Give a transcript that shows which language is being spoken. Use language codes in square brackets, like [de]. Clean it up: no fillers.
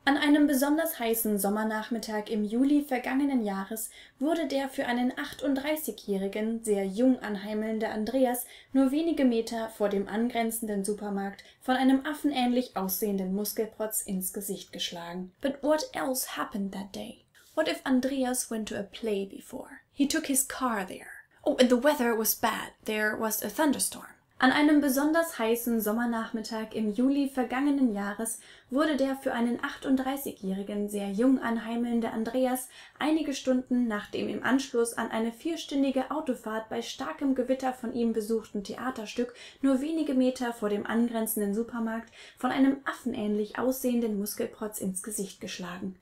[de] An einem besonders heißen Sommernachmittag im Juli vergangenen Jahres wurde der für einen 38-jährigen, sehr jung anheimelnde Andreas nur wenige Meter vor dem angrenzenden Supermarkt von einem affenähnlich aussehenden Muskelprotz ins Gesicht geschlagen. [en] But what else happened that day? What if Andreas went to a play before? He took his car there. Oh, and the weather was bad. There was a thunderstorm. [de] An einem besonders heißen Sommernachmittag im Juli vergangenen Jahres wurde der für einen 38-jährigen, sehr jung anheimelnde Andreas einige Stunden, nachdem im Anschluss an eine vierstündige Autofahrt bei starkem Gewitter von ihm besuchten Theaterstück nur wenige Meter vor dem angrenzenden Supermarkt von einem affenähnlich aussehenden Muskelprotz ins Gesicht geschlagen.